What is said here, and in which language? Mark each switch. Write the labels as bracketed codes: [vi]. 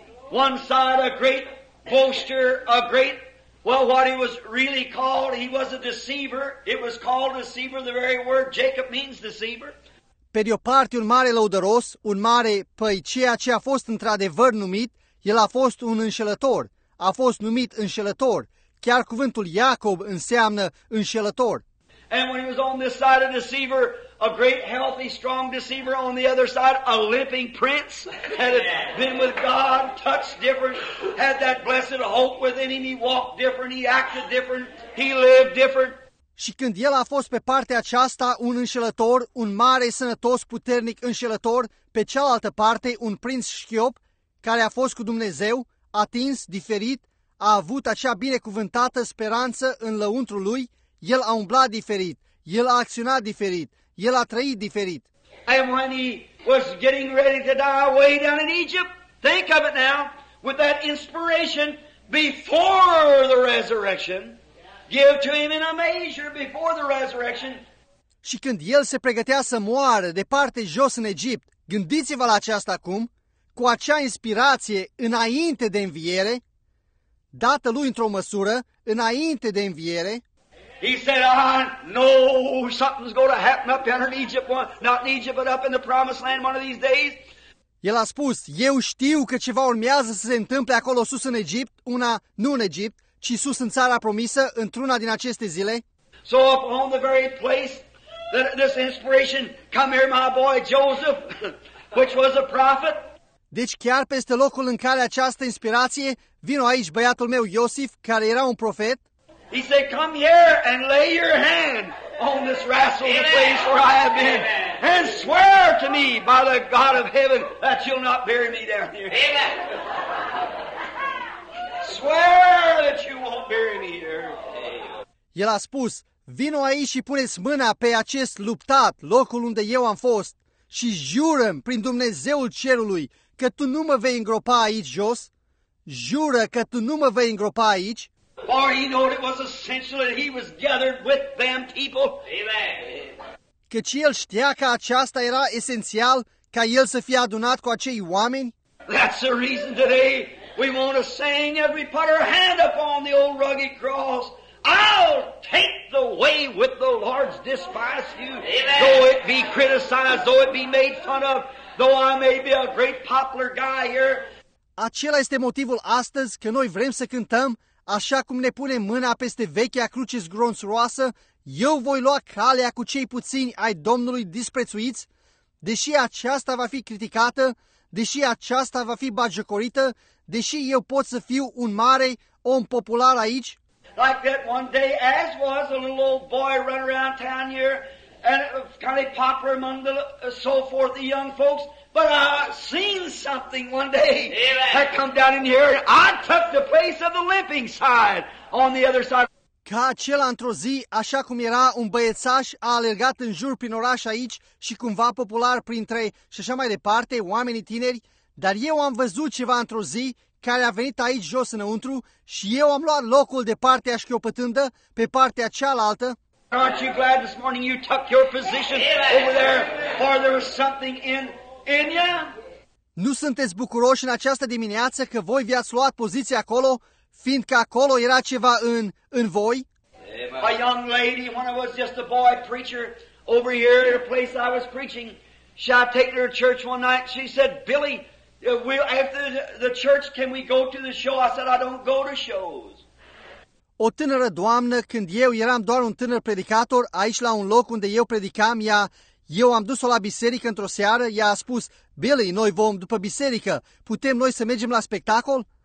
[en] One side a great boaster, a great Well, what he was really called, he was a deceiver. It was called deceiver, the very word Jacob means deceiver. [ro] Per o parte, un mare lăudăros, un mare, păi, ceea ce a fost într-adevăr numit, el a fost un înșelător, a fost numit înșelător. Chiar cuvântul Iacob înseamnă înșelător. [en] And when he was on this side a deceiver, a great, healthy, strong deceiver, on the other side, a limping prince, had been with God, touched different, had that blessed hope within him, he walked different, he acted different, he lived different. [ro] Și când el a fost pe partea aceasta un înșelător, un mare, sănătos, puternic înșelător, pe cealaltă parte un prinț șchiop care a fost cu Dumnezeu, atins, diferit, a avut acea binecuvântată speranță în lăuntru lui, el a umblat diferit, el a acționat diferit, el a trăit diferit. [en] And when he was getting ready to die way down in Egypt, think of it now, with that inspiration before the resurrection, give to him in a manger before the resurrection. [ro] Și când el se pregătea să moară departe jos în Egipt, gândiți-vă la aceasta acum, cu acea inspirație înainte de înviere, dată lui într-o măsură, înainte de înviere. [en] He said, I know something's going to happen up in Egypt, not in Egypt, but up in the promised land one of these days. [ro] El a spus, eu știu că ceva urmează să se întâmple acolo sus în Egipt, una, nu în Egipt, ci sus în țara promisă, într-una din aceste zile. [en] So up on the very place that this inspiration come here, my boy Joseph, which was a prophet. [ro] Deci chiar peste locul în care această inspirație, vino aici băiatul meu Iosif, care era un profet. [en] He said, come here and lay your hand on this wrestle, the place where I have been, and swear to me by the God of heaven that you'll not bury me down here. Amen. Swear that you won't bury me here. [ro] El a spus, vino aici și puneți mâna pe acest luptat, locul unde eu am fost, și jură-mi prin Dumnezeul cerului că tu nu mă vei îngropa aici jos. Jură că tu nu mă vei îngropa aici. [en] For he knew it was essential that he was gathered with them people. Amen. [ro] Căci el știa că aceasta era esențial ca el să fie adunat cu acei oameni. [en] That's the reason today we want to sing as we put our hand upon the old rugged cross. I'll take the way with the Lord's despise you. Amen. Though it be criticized, though it be made fun of, though I may be a great popular guy here. [ro] Acela este motivul astăzi că noi vrem să cântăm, așa cum ne punem mâna peste vechea cruce zgronțuroasă, eu voi lua calea cu cei puțini ai Domnului disprețuiți, deși aceasta va fi criticată, deși aceasta va fi batjocorită, deși eu pot să fiu un mare om popular aici. [en] Like that one day, as was a little old boy run around town here, and kind of popular among the so forth, the young folks. But I seen something one day. Amen. I come down in here and I took the place of the limping side on the other side. [ro] Ca acela într-o zi, așa cum era un băiețaș, a alergat în jur prin oraș aici și cumva popular printre și așa mai departe, oamenii tineri, dar eu am văzut ceva într-o zi care a venit aici jos înăuntru și eu am luat locul de partea șchiopătândă pe partea cealaltă. [en] Aren't you glad this morning you took your position over there, for there was something in you? [ro] Nu sunteți bucuroși în această dimineață că voi v-ați luat poziția acolo, fiindcă acolo era ceva în voi? [en] A young lady, when I was just a boy preacher over here at a place I was preaching, she had taken her to church one night. She said, Billy, after the church, can we go to the show? I said, I don't go to shows. [ro] O tânără doamnă, când eu eram doar un tânăr predicator, aici la un loc unde eu predicam, eu am dus-o la biserică într-o seară, ea a spus, Billy, noi vom după biserică, putem noi să mergem la spectacol?